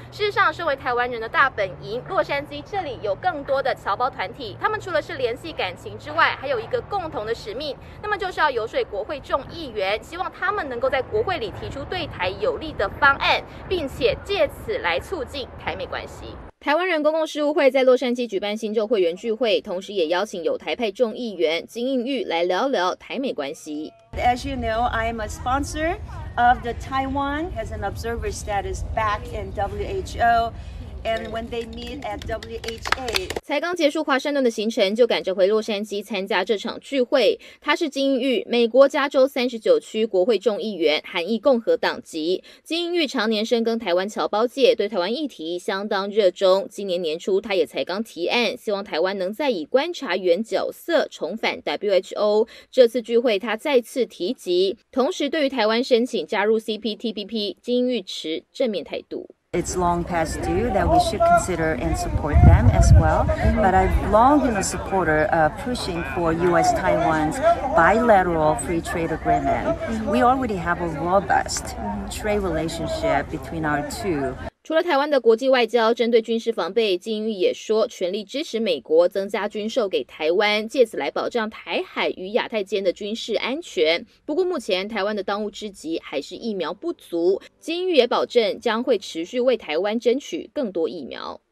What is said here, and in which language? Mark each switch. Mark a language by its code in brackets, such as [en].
[zh] 事实上，身为台湾人的大本营洛杉矶，这里有更多的侨胞团体，他们除了是联系感情之外，还有一个共同的使命，那么就是要游说国会众议员，希望他们能够在国会里提出对台有利的方案，并且借此来促进台美关系。台湾人公共事务会在洛杉矶举办新旧会员聚会，同时也邀请友台派众议员金应玉来聊聊台美关系。 [en] As you know, I am a sponsor of the Taiwan as an observer status back in WHO. And when they meet at WHA, [zh] 才刚结束华盛顿的行程，就赶着回洛杉矶参加这场聚会。他是金英玉，美国加州39区国会众议员，韩裔共和党籍。金英玉常年深耕台湾侨胞界，对台湾议题相当热衷。今年年初，他也才刚提案，希望台湾能再以观察员角色重返 WHO。这次聚会，他再次提及，同时对于台湾申请加入 CPTPP， 金英玉持正面态度。 [en] It's long past due that we should consider and support them as well. But I've long been a supporter of pushing for U.S.-Taiwan's bilateral free trade agreement. We already have a robust trade relationship between our two. [zh] 除了台湾的国际外交，针对军事防备，金英玉也说全力支持美国增加军售给台湾，借此来保障台海与亚太间的军事安全。不过目前台湾的当务之急还是疫苗不足，金英玉也保证将会持续为台湾争取更多疫苗。